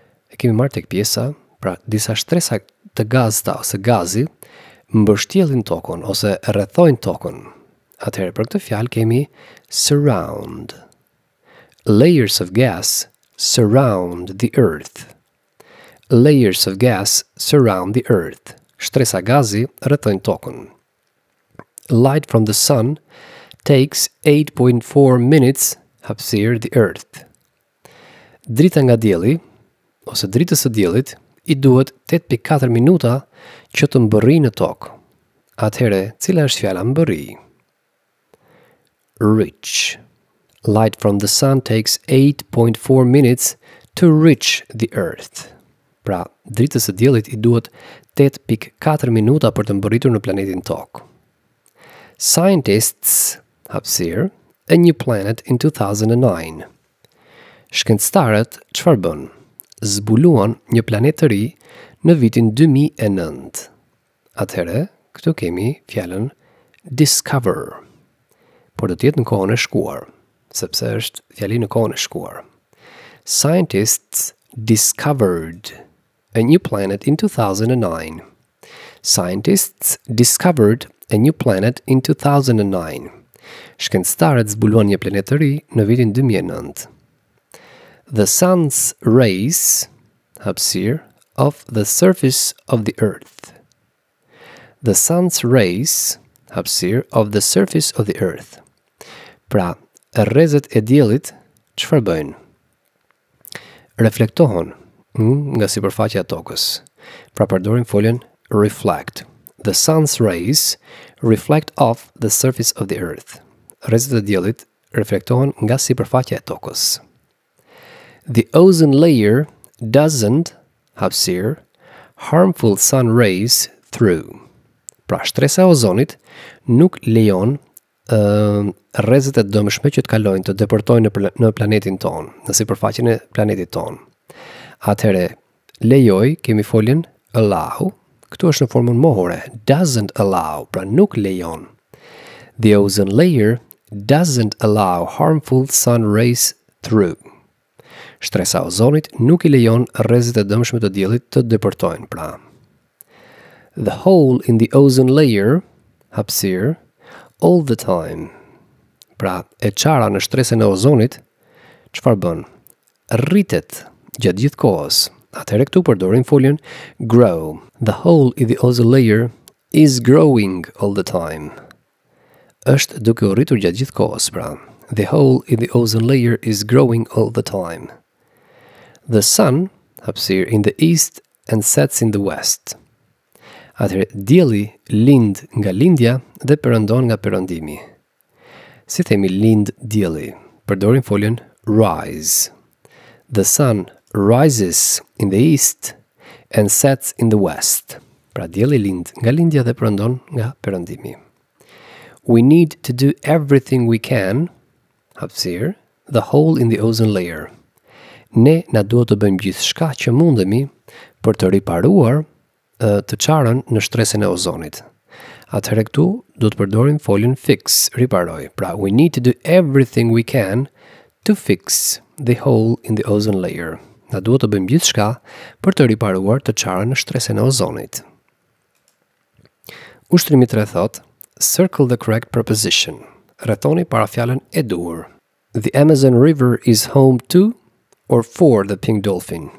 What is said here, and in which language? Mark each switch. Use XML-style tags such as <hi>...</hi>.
<sq>E kemi marrë tek pjesa, pra disa shtresa të gazta ose gazi, mbështjellin tokën ose rrethojnë tokën. Atëherë për këtë fjalë kemi</sq> <en>surround. Layers of gas surround the earth. Layers of gas surround the earth.</en> <sq>Shtresa gazi rrethojnë tokën.</sq> <en>Light from the sun takes 8.4 minutes hapsir the earth.</en> <sq>Drita nga dielli ose dritës së diellit i duhet 8.4 minuta që të mbërrijë në tokë. Atëherë, cila është fjala mbërri?</sq> <en>Reach. Light from the sun takes 8.4 minutes to reach the earth.</en> <sq>Pra, dritës së diellit i duhet 8.4 minuta për të mbërritur në planetin Tokë.</sq> <en>Scientists hapsir a new planet in 2009.</en> <sq>Shkencëtarët çfarë bën? Zbuluan një planet të ri në vitin 2009. Atëherë, këtu kemi fjalën discover. Por do të jetë në kohën e shkuar, sepse është fjali në kohën e shkuar.</sq> <en>Scientists discovered a new planet in 2009. Scientists discovered a new planet in 2009.</en> <sq>Shkencëtarët zbuluan një planet të ri në vitin 2009.</sq> <en>The sun's rays, hapsir, off the surface of the earth. The sun's rays, hapsir, off the surface of the earth.</en> <sq>Pra, rrezet e diellit çfarë bëjnë? Reflektohen nga sipërfaqja e tokës. Pra përdorim foljen reflect.</sq> <en>The sun's rays reflect off the surface of the earth.</en> <sq>Rrezet e diellit reflektohen nga sipërfaqja e tokës.</sq> <en>The ozone layer doesn't hapsir harmful sun rays through.</en> <sq>Pra shtresa e ozonit nuk lejon rrezet e dëmshme që të kalojnë të depërtojnë në planetin tonë, në sipërfaqen e planetit tonë. Atëherë, lejoj, kemi foljen allow. Këtu është në formën mohore,</sq> <en>doesn't allow,</en> <sq>pra nuk lejon.</sq> <en>The ozone layer doesn't allow harmful sun rays through.</en> <sq>Shtresa ozonit nuk i lejon rrezet e dëmshme të diellit të depërtojnë, pra.</sq> <en>The hole in the ozone layer, hapësirë, all the time.</en> <sq>Pra, e çara në shtresën e ozonit, çfarë bën? Rritet gjatë gjithë kohës. Atëherë këtu përdorim foljen grow.</sq> <en>The hole in the ozone layer is growing all the time.</en> <sq>Është duke u rritur gjatë gjithë kohës, pra.</sq> <en>The hole in the ozone layer is growing all the time. The sun appears in the east and sets in the west.</en> <sq>Atëherë dielli lind nga lindja dhe perëndon nga perëndimi. Si themi lind dielli, përdorim foljen rise.</sq> <en>The sun rises in the east and sets in the west.</en> <sq>Pra dielli lind nga lindja dhe perëndon nga perëndimi.</sq> <en>We need to do everything we can, hapësir, the hole in the ozone layer.</en> <sq>Ne na duhet të bëjmë gjithçka që mundemi për të riparuar të çarën në shtresën e ozonit. Atëherë këtu do të përdorim foljen fix, riparoj.</sq> <en>Pra we need to do everything we can to fix the hole in the ozone layer.</en> <sq>Na duhet të bëjmë gjithçka për të riparuar të çarën në shtresën e ozonit. Ushtrimi 3 thot:</sq> <en>Circle the correct preposition.</en> <sq>Rrethoni para fjalën e duhur.</sq> <en>The Amazon River is home to or for the pink dolphin.</en>